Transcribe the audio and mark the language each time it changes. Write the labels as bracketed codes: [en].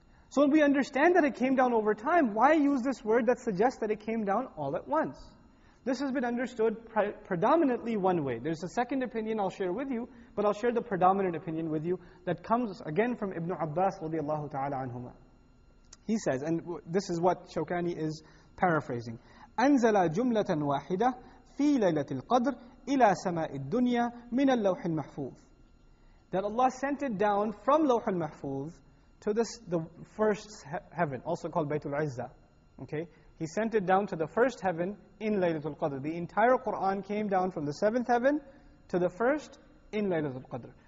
[en] So when we understand that it came down over time, why use this word that suggests that it came down all at once? This has been understood predominantly one way. There's a second opinion I'll share with you, but I'll share the predominant opinion with you that comes again from Ibn Abbas radiallahu ta'ala anhumah. He says, and this is what Shawkani is paraphrasing, [ar] أَنْزَلَ جُمْلَةً وَاحِدَةً فِي لَيْلَةِ الْقَدْرِ إِلَى سَمَاءِ الدُّنْيَا مِنَ اللَّوْحِ الْمَحْفُوظِ. [en] That Allah sent it down from Lawh al-Mahfuz to the first heaven, also called Baytul Izzah. Okay? He sent it down to the first heaven in Laylatul Qadr. The entire Qur'an came down from the seventh heaven to the first in Laylatul Qadr.